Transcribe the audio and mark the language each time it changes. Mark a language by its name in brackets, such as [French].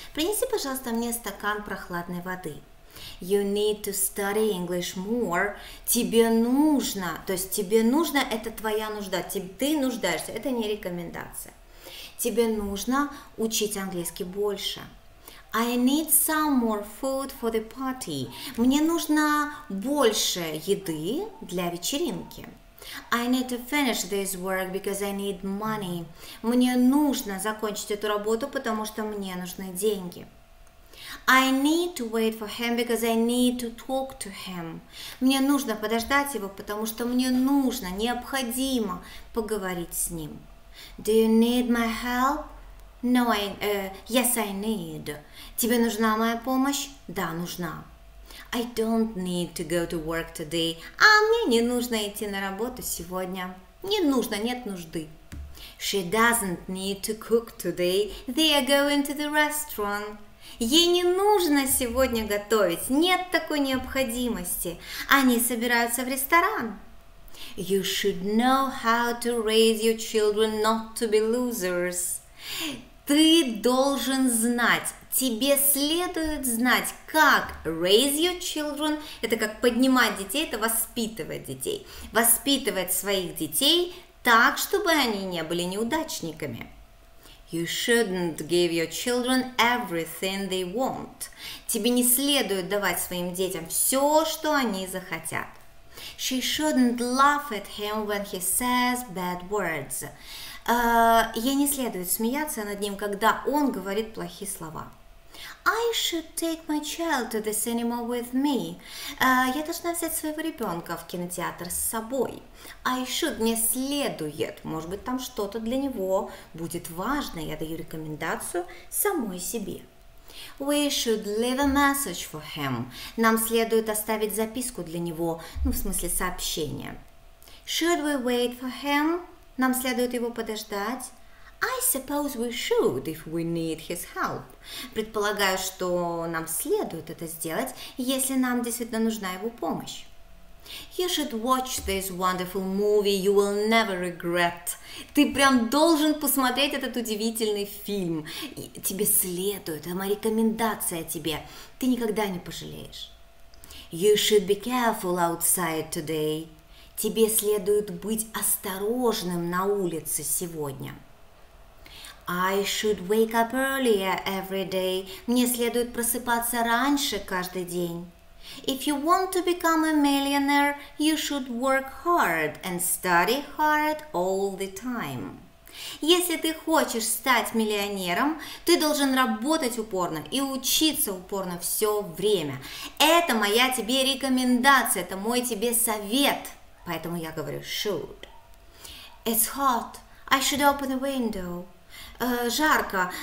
[Russian] Принеси, пожалуйста, мне стакан прохладной воды. [English] You need to study English more. [Russian] Тебе нужно, то есть тебе нужно, это твоя нужда, ты нуждаешься, это не рекомендация. Тебе нужно учить английский больше. [English] I need some more food for the party. [Russian] Мне нужно больше еды для вечеринки. [English] I need to finish this work because I need money. [Russian] Мне нужно закончить эту работу, потому что мне нужны деньги. [English] I need to wait for him because I need to talk to him. [Russian] Мне нужно подождать его, потому что мне нужно, необходимо поговорить с ним. [English] Do you need my help? No, yes, I need. [Russian] Тебе нужна моя помощь? Да, нужна. [English] I don't need to go to work today. [Russian] А мне не нужно идти на работу сегодня. Не нужно, нет нужды. [English] She doesn't need to cook today. They are going to the restaurant. [Russian] Ей не нужно сегодня готовить. Нет такой необходимости. Они собираются в ресторан. [English] You should know how to raise your children not to be losers. [Russian] Ты должен знать, тебе следует знать, как [English] raise your children, [Russian] это как поднимать детей, это воспитывать детей. Воспитывать своих детей так, чтобы они не были неудачниками. [English] You shouldn't give your children everything they want. [Russian] Тебе не следует давать своим детям все, что они захотят. [English] She shouldn't laugh at him when he says bad words. [Russian] Ей не следует смеяться над ним, когда он говорит плохие слова. [English] I should take my child to the cinema with me. [Russian] Я должна взять своего ребенка в кинотеатр с собой. [English] I should, [Russian] мне следует. Может быть, там что-то для него будет важно. Я даю рекомендацию самой себе. [English] We should leave a message for him. [Russian] Нам следует оставить записку для него, ну, в смысле сообщение. [English] Should we wait for him? [Russian] Нам следует его подождать. [English] I suppose we should, if we need his help. [Russian] Предполагаю, что нам следует это сделать, если нам действительно нужна его помощь. [English] You should watch this wonderful movie you will never regret. [Russian] Ты прям должен посмотреть этот удивительный фильм. И тебе следует, это моя рекомендация тебе. Ты никогда не пожалеешь. [English] You should be careful outside today. [Russian] Тебе следует быть осторожным на улице сегодня. [English] I should wake up earlier every day. [Russian] Мне следует просыпаться раньше каждый день. [English] If you want to become a millionaire, you should work hard and study hard all the time. [Russian] Если ты хочешь стать миллионером, ты должен работать упорно и учиться упорно все время. Это моя тебе рекомендация, это мой тебе совет. Поэтому я говорю should. [English] It's hot. I should open the window. [Russian] Жарко.